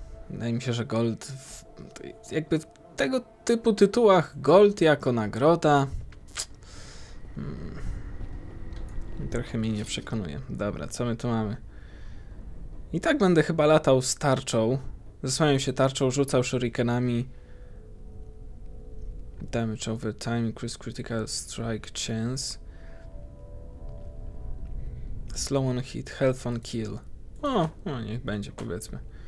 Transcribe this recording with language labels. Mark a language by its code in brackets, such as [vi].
[pl] Wydaje mi się, że gold... jakby w tego typu tytułach gold jako nagroda... Trochę mnie nie przekonuje. Dobra, co my tu mamy? I tak będę chyba latał z tarczą. Zasłaniam się tarczą, rzucał shurikenami. [en] Damage over time, increase critical strike chance. Slow on hit, health on kill. [pl] O, no niech będzie, powiedzmy.